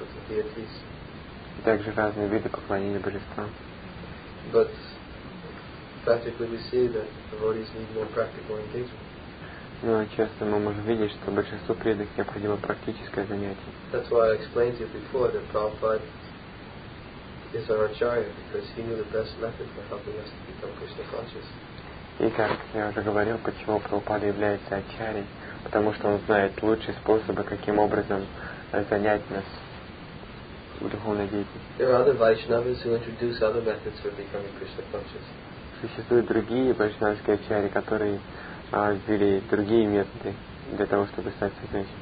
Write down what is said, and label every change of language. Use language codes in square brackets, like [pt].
[ru] И также разные виды поклонения божествам. Но часто мы можем видеть, что большинству преданных необходимо практическое занятие. [en] That's why I explained to you before that Prabhupada is our acharya, because he knew the best method for helping us to become Krishna conscious. [ru] И как я уже говорил, почему Прабхупада является ачарьей, потому что он знает лучшие способы, каким образом занять нас в духовной деятельности. [en] There are other Vaishnavas who introduce other methods for becoming Krishna conscious. [ru] Существуют другие вайшнавские ачарьи, которые ввели другие методы для того, чтобы стать сознанием